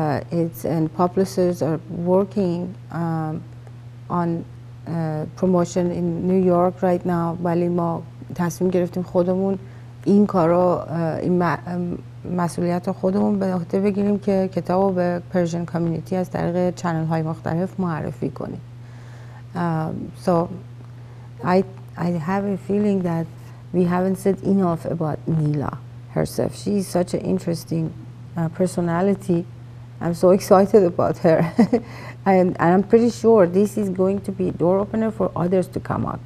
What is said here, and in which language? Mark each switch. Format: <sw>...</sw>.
<en>It's and publishers are working on promotion in New York right now.</en> <fa>ولی ما تصمیم گرفتیم خودمون این کارو این مسئولیت خودمون به عهده بگیریم که کتابو به</fa> <en>Persian community</en> <fa>از طریق چنل های مختلف معرفی کنیم.</fa> <en>So I have a feeling that we haven't said enough about Nila herself. She's such an interesting personality. I'm so excited about her. And I'm pretty sure this is going to be a door opener for others to come out.</en>